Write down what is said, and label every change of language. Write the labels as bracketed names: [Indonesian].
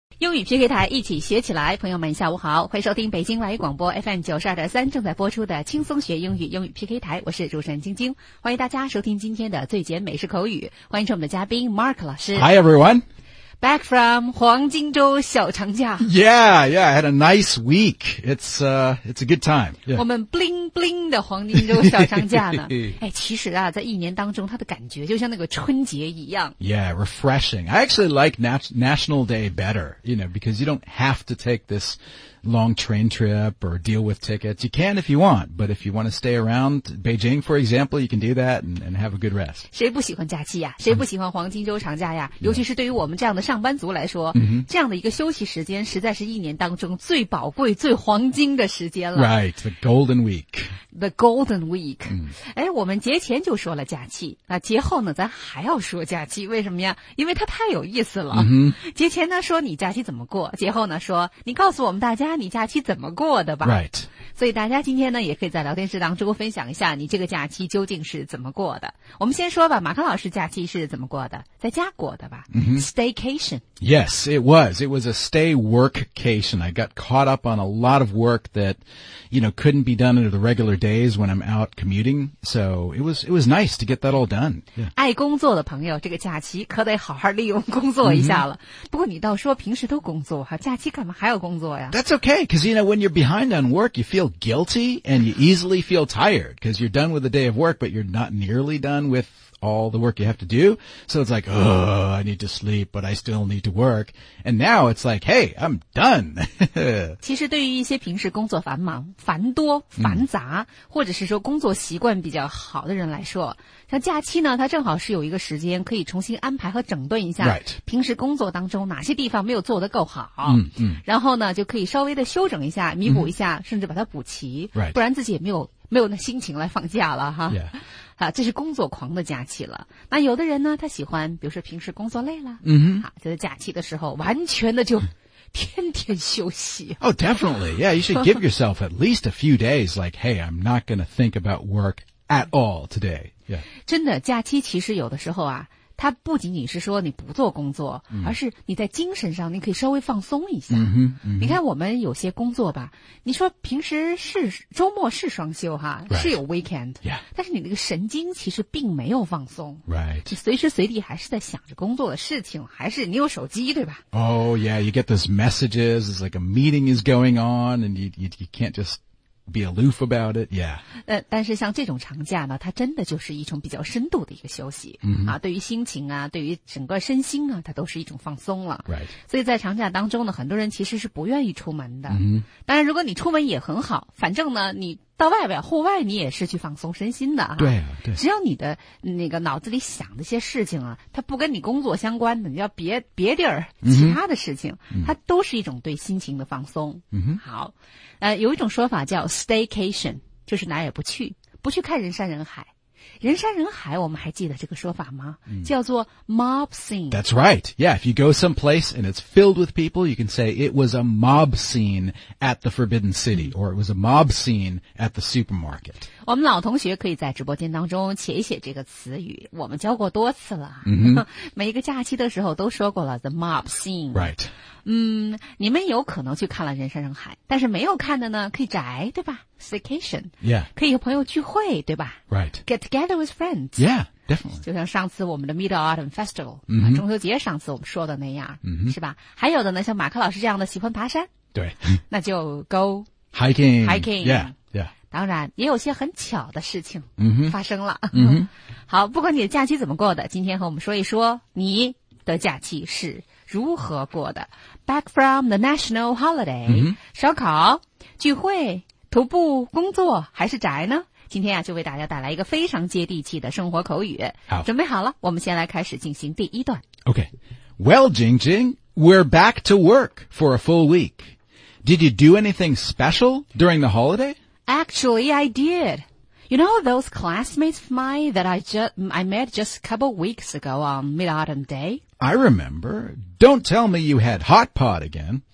[Chinese] 英语 PK 台一起学起来，朋友们下午好，欢迎收听北京外语广播 FM92.3 正在播出的轻松学英语英语 PK 台，我是主持人晶晶，欢迎大家收听今天的最简美式口语，欢迎我们的嘉宾 Mark 老师。 [English] Hi everyone. Back from [Chinese] 黄金周小长假。 [English] Yeah, I had a nice week. It's a good time.、Yeah. [Chinese] 我们 bling bling 的黄金周小长假呢。哎，其实啊，在一年当中，它的感觉就像那个春节一样。 [English] Yeah, refreshing. I actually like National Day better, you know, because you don't have to take this long train trip or deal with tickets. You can if you want, but if you want to stay around Beijing, for example, you can do that and have a good rest. [Chinese] 谁不喜欢假期呀？谁不喜欢黄金周长假呀？尤其是对于我们这样的上班族来说、 [English] mm-hmm. [Chinese] 这样的一个休息时间实在是一年当中最宝贵最黄金的时间了。 [English] Right, the golden week. The golden week.、Mm-hmm. [Chinese] 哎，我们节前就说了假期，那节后呢咱还要说假期，为什么呀？因为它太有意思了。 [English] Mm-hmm. [Chinese] 节前呢说你假期怎么过，节后呢说你告诉我们大家你假期怎么过的吧。 [English] Right. [Chinese] 所以大家今天呢也可以在聊天室当中分享一下你这个假期究竟是怎么过的。我们先说吧，马克老师假期是怎么过的，在家过的吧。 [English] Mm-hmm. Staycation. Yes, it was. It was a stay workcation. I got caught up on a lot of work that, you know, couldn't be done under the regular days when I'm out commuting. So it was nice to get that all done.、Yeah. [Chinese] 爱工作的朋友这个假期可得好好利用工作一下了。 [English] Mm-hmm. [Chinese] 不过你倒说平时都工作，假期干嘛还要工作呀？ [English] That's okay, because you know, when you're behind on work, you feel guilty and you easily feel tired because you're done with the day of work, but you're not nearly done with all the work you have to do. So it's like, oh, I need to sleep, but I still need to work. And now it's like, hey, I'm done. [Chinese] 其实对于一些平时工作繁忙、繁多、繁杂、mm. 或者是说工作习惯比较好的人来说，像假期呢，它正好是有一个时间可以重新安排和整顿一下、 [English] right. [Chinese] 平时工作当中哪些地方没有做得够好、 [English] mm-hmm. [Chinese] 然后呢就可以稍微的修整一下、弥补一下、mm-hmm. 甚至把它补齐、 [English] right. [Chinese] 不然自己也没有那心情来放假了哈。 [English] Yeah. [Chinese] 啊，这是工作狂的假期了。那有的人呢他喜欢比如说平时工作累了、 [English] mm-hmm. [Chinese] 啊、就在假期的时候完全的就天天休息。 [English] Oh, definitely. Yeah, you should give yourself at least a few days like, hey, I'm not going to think about work at all today. Yeah. [Chinese] 真的假期其实有的时候啊它不仅仅是说你不做工作、 [English] mm. [Chinese] 而是你在精神上你可以稍微放松一下、 [English] mm-hmm, mm-hmm. [Chinese] 你看我们有些工作吧你说平时是周末是双休哈、 [English] right. [Chinese] 是有 weekend、 [English] yeah. [Chinese] 但是你那个神经其实并没有放松、 [English] right. [Chinese] 你随时随地还是在想着工作的事情还是你有手机对吧 [English] Oh yeah, you get those messages. It's like a meeting is going on and you can't justbe aloof about it, yeah. [Chinese] 但是像这种长假呢它真的就是一种比较深度的一个休息、 [English] mm-hmm. [Chinese] 啊、对于心情啊对于整个身心啊它都是一种放松了。 [English] Right. [Chinese] 所以在长假当中呢很多人其实是不愿意出门的。 [English] Mm-hmm. [Chinese] 当然如果你出门也很好反正呢你到外边户外你也是去放松身心的、啊。对啊对。只要你的那个脑子里想的一些事情啊它不跟你工作相关的你要别地儿其他的事情、 [English] mm-hmm. [Chinese] 它都是一种对心情的放松。 [English] Mm-hmm. [Chinese] 好。有一种说法叫 staycation, 就是哪也不去不去看人山人海。人山人海我们还记得这个说法吗、嗯、叫做 mob scene. [English] That's right. Yeah, if you go someplace and it's filled with people, you can say it was a mob scene at the Forbidden City,、嗯、or it was a mob scene at the supermarket. [Chinese] 我们老同学可以在直播间当中写一写这个词语我们教过多次了、嗯、每一个假期的时候都说过了 the mob scene. [English] Right. [Chinese] 嗯，你们有可能去看了人山人海，但是没有看的呢，可以宅，对吧 ？Staycation， [English] yeah， [Chinese] 可以和朋友聚会，对吧 [English] ？Right， get together with friends， yeah， definitely。 [Chinese] 就像上次我们的 Mid Autumn Festival，、 [English] mm-hmm. [Chinese] 中秋节，上次我们说的那样， [English] mm-hmm. [Chinese] 是吧？还有的呢，像马克老师这样的喜欢爬山，对，那就 go [English] hiking， yeah， yeah。 [Chinese] 当然，也有些很巧的事情发生了。 [English] Mm-hmm. [Chinese] 好，不管你的假期怎么过的，今天和我们说一说你的假期是。如何过的 [English] ？Back from the national holiday，、 mm-hmm. [Chinese] 烧烤、聚会、徒步、工作还是宅呢？今天啊，就为大家带来一个非常接地气的生活口语。好，准备好了，我们先来开始进行第一段。 [English] Okay, well, Jing Jing, we're back to work for a full week. Did you do anything special during the holiday? Actually, I did. You know those classmates of mine that I met just a couple weeks ago on Mid-Autumn Day? I remember. Don't tell me you had hot pot again.